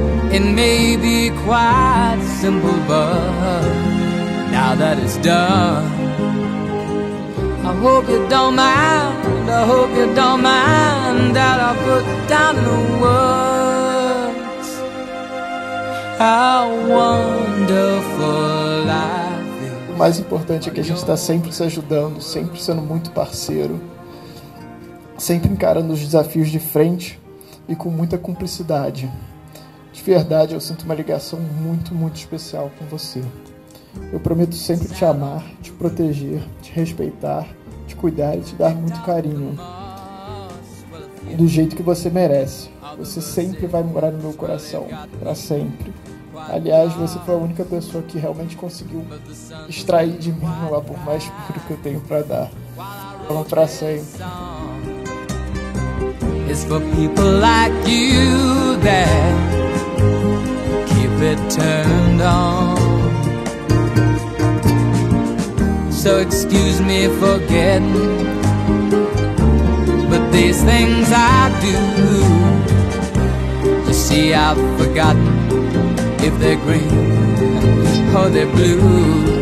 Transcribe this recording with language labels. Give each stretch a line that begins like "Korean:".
English: It may be quite simple, but now that it's done, I hope you don't mind, I hope you don't mind that I put down in words how wonderful life is.
Portuguese: O mais importante é que a gente está sempre se ajudando, sempre sendo muito parceiro, sempre encarando os desafios de frente e com muita cumplicidade. De verdade, eu sinto uma ligação muito, muito especial com você. Eu prometo sempre te amar, te proteger, te respeitar, te cuidar e te dar muito carinho. Do jeito que você merece. Você sempre vai morar no meu coração, pra sempre. Aliás, você foi a única pessoa que realmente conseguiu extrair de mim o amor mais puro que eu tenho pra dar. Então, pra sempre.
English: It's for people like you that it turned on. So excuse me for getting, but these things I do, you see I've forgotten if they're green or they're blue.